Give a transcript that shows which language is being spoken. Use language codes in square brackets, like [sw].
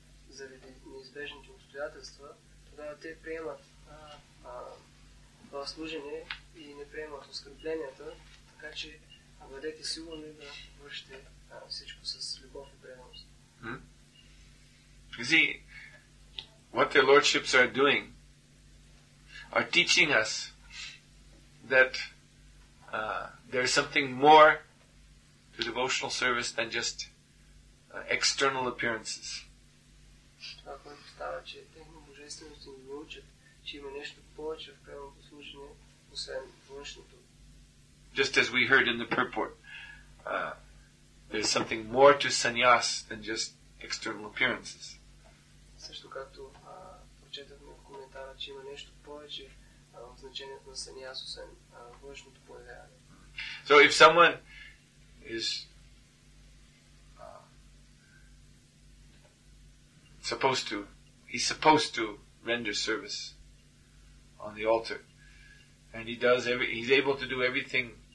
[bg] Заради неизбежните обстоятелства, тогава те приемат това служене и не приемат оскърбленията, така че бъдете сигурни да вършите всичко с любов и преданост. [en] See, what their lordships are doing are teaching us that there is something more to devotional service than just external appearances. [bg] Това, което става, че техни божествености ни научат, че има нещо повече в правилното служение, освен външното. [en] Just as we heard in the purport, there's something more to sannyas than just external appearances. [bg] Също както прочетахме в коментара, че има нещо повече в значението на сънняс, освен външното появяване. [en] So if someone is he's supposed to render service on the altar, and he's able to do everything